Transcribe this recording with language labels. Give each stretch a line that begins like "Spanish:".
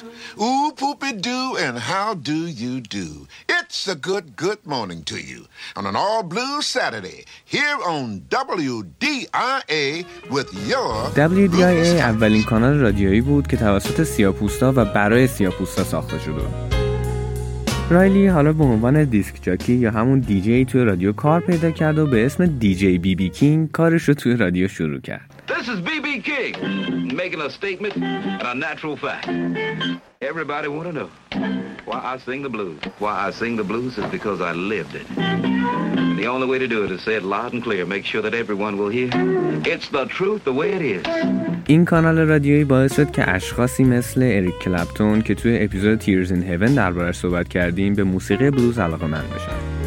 English: Ooh, poopy-doo, and how do you do? It's a good, good morning to you on an all-blue Saturday here on WDIA with your...
Persian: WDIA اولین کانال رادیویی بود که توسط سیاه‌پوستا و برای سیاه‌پوستا ساخته شده. رایلی حالا به عنوان دیسک جاکی یا همون دیجی توی رادیو کار پیدا کرد و به اسم دیجی بی بی کینگ کارش رو توی رادیو شروع کرد.
English: This is BB King making a statement and a natural fact. Everybody want to know why I sing the blues. Why I sing the blues is because I lived it. The only way to do it is say it loud and clear, make sure that everyone will hear. It's the truth the way it is.
Persian: این کانال رادیویی باعث شد که اشخاصی مثل اریک کلپتون که توی اپیزود تیرز این هیون درباره صحبت کردیم به موسیقی بلوز علاقه مند بشن.